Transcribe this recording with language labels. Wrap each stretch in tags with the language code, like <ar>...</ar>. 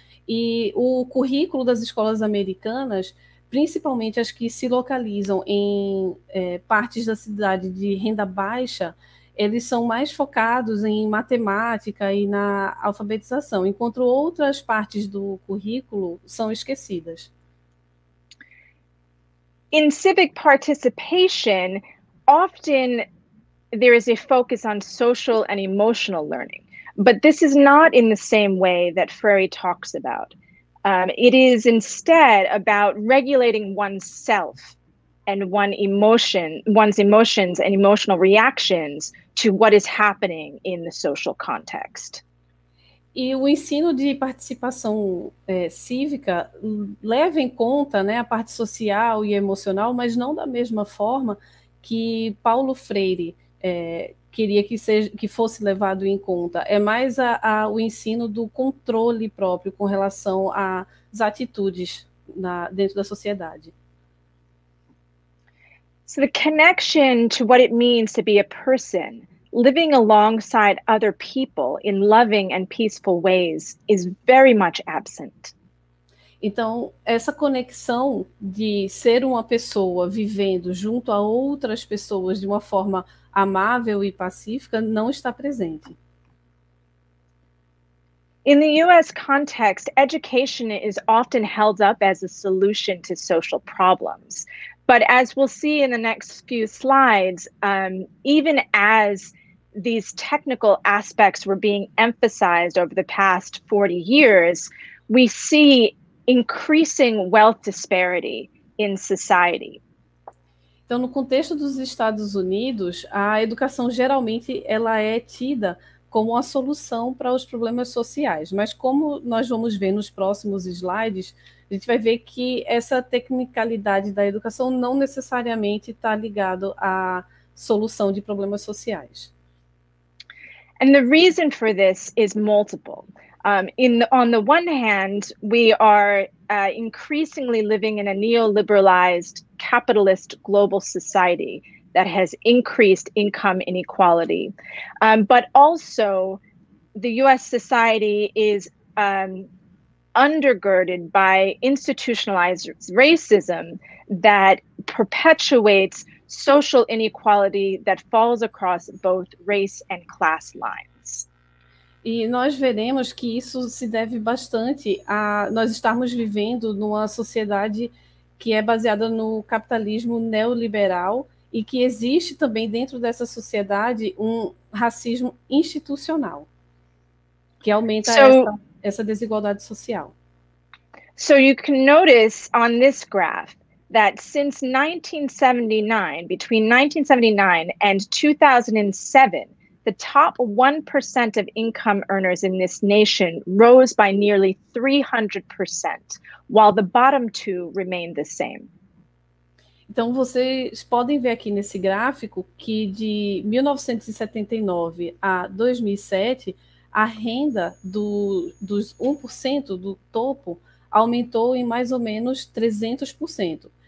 <pt>E o currículo das escolas americanas, principalmente as que se localizam em partes da cidade de renda baixa, eles são mais focados em matemática e na alfabetização, enquanto outras partes do currículo são esquecidas.</pt> <en>In civic participation, often there is a focus on social and emotional learning, but this is not in the same way that Freire talks about. It is instead about regulating oneself and one's emotions and emotional reactions to what is happening in the social context.</en> <pt>E o ensino de participação cívica leva em conta, né, a parte social e emocional, mas não da mesma forma que Paulo Freire queria que fosse levado em conta. É mais o ensino do controle próprio com relação às atitudes dentro da sociedade.</pt> <en>So the connection to what it means to be a person, living alongside other people in loving and peaceful ways, is very much absent.</en> <pt>Então, essa conexão de ser uma pessoa vivendo junto a outras pessoas de uma forma amável e pacífica não está presente.</pt> <en>In the US context, education is often held up as a solution to social problems, But as we'll see in the next few slides, even as these technical aspects were being emphasized over the past 40 years, we see increasing wealth disparity in society.</en> <pt>Então, no contexto dos Estados Unidos, a educação geralmente ela é tida como a solução para os problemas sociais. Mas como nós vamos ver nos próximos slides, a gente vai ver que essa tecnicalidade da educação não necessariamente está ligada à solução de problemas sociais.</pt> <en>And the reason for this is multiple. On the one hand, we are increasingly living in a neoliberalized capitalist global society that has increased income inequality. But also, the US society is undergirded by institutionalized racism that perpetuates social inequality that falls across both race and class lines.</en> <pt>E nós veremos que isso se deve bastante a nós estarmos vivendo numa sociedade que é baseada no capitalismo neoliberal e que existe também dentro dessa sociedade um racismo institucional que aumenta essa desigualdade social.</pt> <en>So you can notice on this graph that since 1979, between 1979 and 2007, the top 1% of income earners in this nation rose by nearly 300%, while the bottom two remained the same.</en> <pt>Então, vocês podem ver aqui nesse gráfico que de 1979 a 2007, a renda dos 1% do topo aumentou em mais ou menos 300%.</pt>